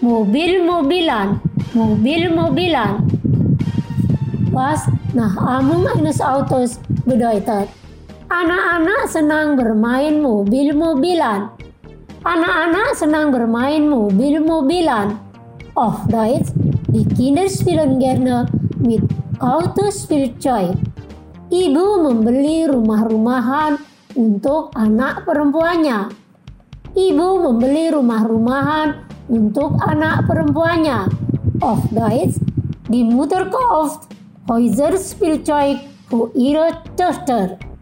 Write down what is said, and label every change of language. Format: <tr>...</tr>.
<de>Mobil-Mobilan, Mobil-Mobilan, was Nachahmung eines Autos bedeutet.</de> <id>Anak-anak senang bermain Mobil-Mobilan. Anak-anak senang bermain Mobil-Mobilan.</id> <de>Auf Deutsch, die Kinder spielen gerne mit Autospielzeug.</de> <id>Ibu membeli rumah-rumahan untuk anak perempuannya. Ibu membeli rumah-rumahan untuk anak perempuannya.</id> <de>Auf Deutsch, die Mutter kauft Häuser Spielzeug für ihre Tochter.</de>